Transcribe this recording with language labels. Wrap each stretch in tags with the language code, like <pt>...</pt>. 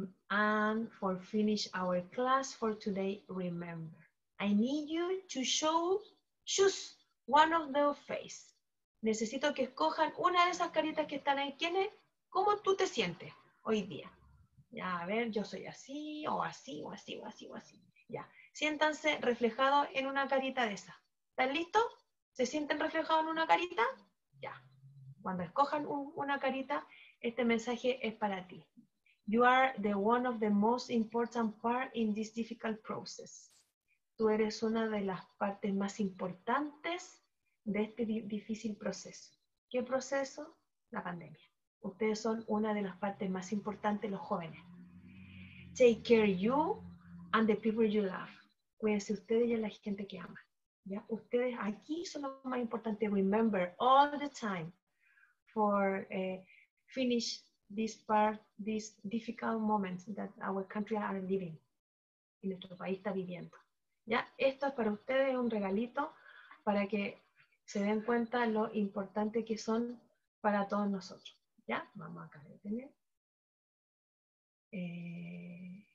<en>And for finish our class for today, remember, I need you to choose one of the faces.</en> <es>Necesito que escojan una de esas caritas que están ahí. ¿Quién es? ¿Cómo tú te sientes hoy día? Ya, a ver, yo soy así, o así, o así, o así, o así. Ya, siéntanse reflejados en una carita de esas. ¿Están listos? ¿Se sienten reflejados en una carita? Ya. Cuando escojan una carita, este mensaje es para ti.</es> <en>You are the one of the most important part in this difficult process.</en> <es>Tú eres una de las partes más importantes de este difícil proceso. ¿Qué proceso? La pandemia. Ustedes son una de las partes más importantes, los jóvenes.</es> <en>Take care you and the people you love.</en> <es>Cuídense ustedes y a la gente que ama. ¿Ya? Ustedes aquí son lo más importante.</es> <en>Remember all the time for finish this part, this difficult moment that our country are living.</en> <es>Y nuestro país está viviendo. ¿Ya? Esto es para ustedes, un regalito para que se den cuenta lo importante que son para todos nosotros. ¿Ya? Vamos acá a detener.</es>